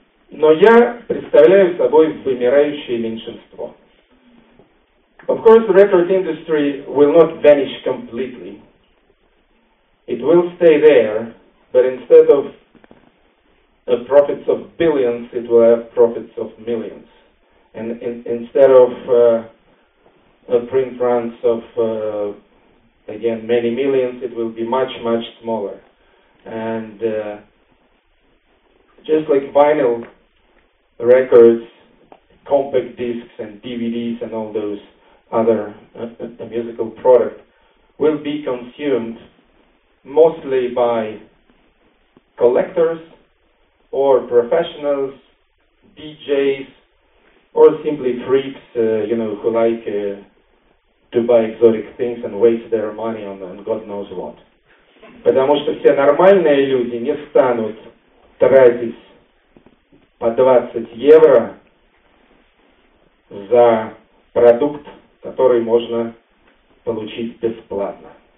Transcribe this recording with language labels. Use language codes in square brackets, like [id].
[ru] Но я представляю собой вымирающее меньшинство. [en] Of course, the record industry will not vanish completely. It will stay there, but instead of profits of billions, it will have profits of millions. And instead of print runs of, again, many millions, it will be much, much smaller. And just like vinyl records, compact discs and DVDs and all those other a musical product will be consumed mostly by collectors or professionals, DJs, or simply freaks, you know, who like to buy exotic things and waste their money on God knows what. [ru] Потому что все нормальные люди не станут тратить по 20 евро за продукт, который можно получить бесплатно.